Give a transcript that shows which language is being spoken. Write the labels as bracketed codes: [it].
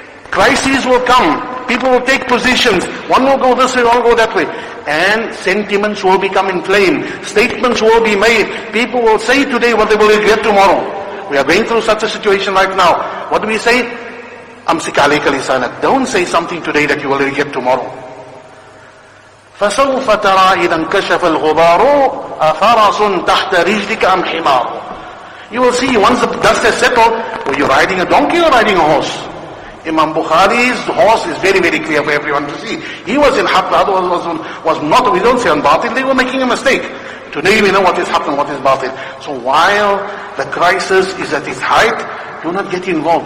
[en] Crises will come. People will take positions. One will go this way, one will go that way. And sentiments will become inflamed. Statements will be made. People will say today what they will regret tomorrow. We are going through such a situation right now. What do we say? [ar] أمسك عليك لسانك. [en] Don't say something today that you will regret tomorrow. [ar] فسوف ترى إذا انكشف الغبار أفرس تحت رجلك أم حمار. [en] You will see once the dust has settled, were you riding a donkey or riding a horse? Imam Bukhari's horse is very, very clear for everyone to see. He was in haq, the other one was not. We don't say on batil, they were making a mistake. Today we know what is haq and what is batil. So while the crisis is at its height, do not get involved.